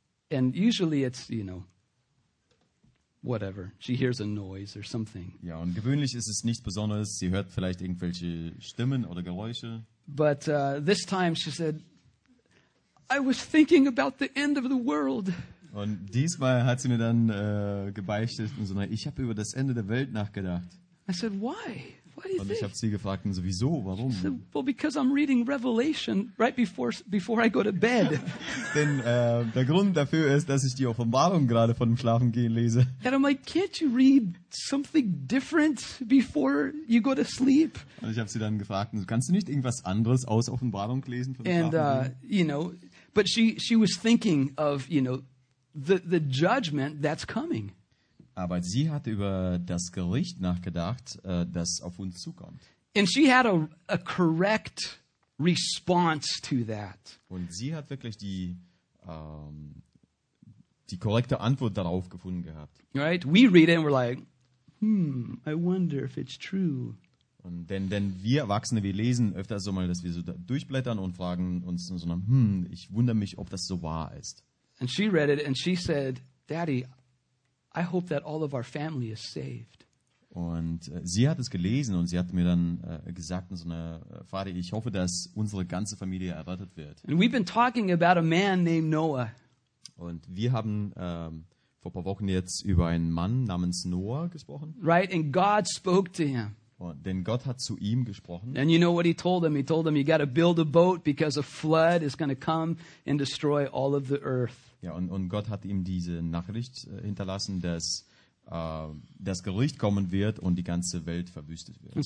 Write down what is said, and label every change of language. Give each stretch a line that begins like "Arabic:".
English: And usually it's, you know, whatever. She hears a noise or something.
German: Ja, und gewöhnlich ist es nichts Besonderes. Sie hört vielleicht irgendwelche Stimmen oder Geräusche.
English: But this time she said, I was thinking about the end of the world.
German: Und diesmal hat sie mir dann gebeichtet und so, ich habe über das Ende der Welt nachgedacht.
English: I said, why? What do you think?
German: Und ich habe sie gefragt, und so, wieso, warum?
English: She said, well, because I'm reading Revelation right before I go to bed.
German: Denn der Grund dafür ist, dass ich die Offenbarung gerade vor dem Schlafengehen lese.
English: And I'm like, can't you read something different before you go to sleep?
German: Und ich habe sie dann gefragt, und so, kannst du nicht irgendwas anderes aus Offenbarung lesen vor dem Schlafengehen?
English: You know, but she was thinking of, you know, the judgment that's coming.
German: Aber sie hat über das Gericht nachgedacht, das auf uns zukommt.
English: And she had a correct response to that.
German: Und sie hat wirklich die korrekte Antwort darauf gefunden gehabt.
English: Right? We read it and we're like, I wonder if it's true.
German: Und denn wir Erwachsene, wir lesen öfter so mal, dass wir so durchblättern und fragen uns so, ich wundere mich, ob das so wahr ist.
English: And she read it and she said, Daddy, I hope that all of our family is saved.
German: Und sie hat es gelesen und sie hat mir dann gesagt, so eine Vater, ich hoffe, dass unsere ganze Familie errettet wird.
English: And we've been talking about a man named Noah.
German: Und wir haben vor ein paar Wochen jetzt über einen Mann namens Noah gesprochen.
English: Right, and God spoke to him.
German: Und denn Gott hat zu ihm gesprochen.
English: And you know what he told him? He told him, you got to build a boat because a flood is going to come and destroy all of the earth.
German: Ja, und Gott hat ihm diese Nachricht hinterlassen, dass das Gericht kommen wird und die ganze Welt verwüstet wird.